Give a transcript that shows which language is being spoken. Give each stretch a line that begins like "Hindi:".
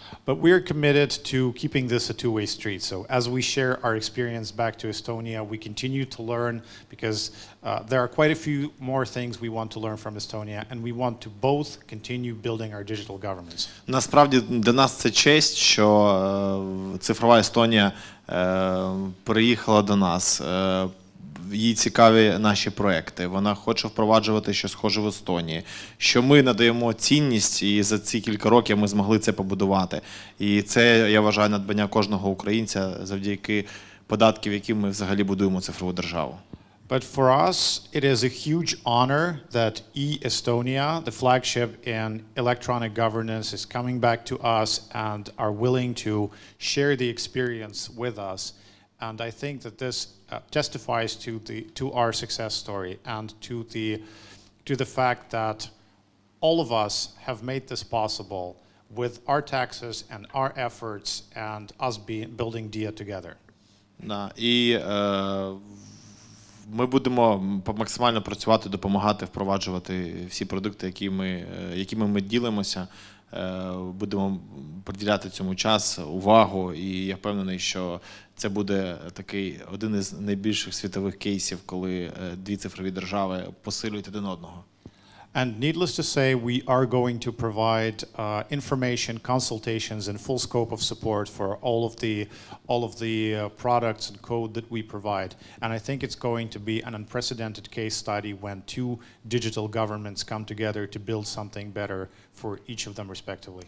English: But we are committed to keeping this a two-way street. So as we share our experience back to Estonia, we continue to learn because there are quite a few more things we want to learn from Estonia and we want to both continue building our digital governments.
Ukrainian: Насправді для нас це честь, що цифрова Естонія приїхала до нас. Їй цікаві наші проекти, вона хоче впроваджувати щось схоже в Естонії, що ми надаємо цінність, і за ці кілька років ми змогли це побудувати. І це, я вважаю, надбання кожного українця завдяки податків, які ми взагалі будуємо цифрову державу.
English: But for us, it is a huge honor that e-Estonia, the flagship in electronic governance, is coming back to us and are willing to share the experience with us. And I think that this testifies to our success story and to the fact that all of us have made this possible with our taxes and our efforts and us building DIA together.
Ukrainian: Да, і ми будемо максимально працювати, допомагати впроваджувати всі продукти, якими ми ділимося, будемо приділяти цьому час, увагу, і я впевнений, що це буде такий один із найбільших світових кейсів, коли дві цифрові держави посилюють один одного.
English: And needless to say, we are going to provide information, consultations, and full scope of support for all of the products and code that we provide. And I think it's going to be an unprecedented case study when two digital governments come together to build something better for each of them respectively.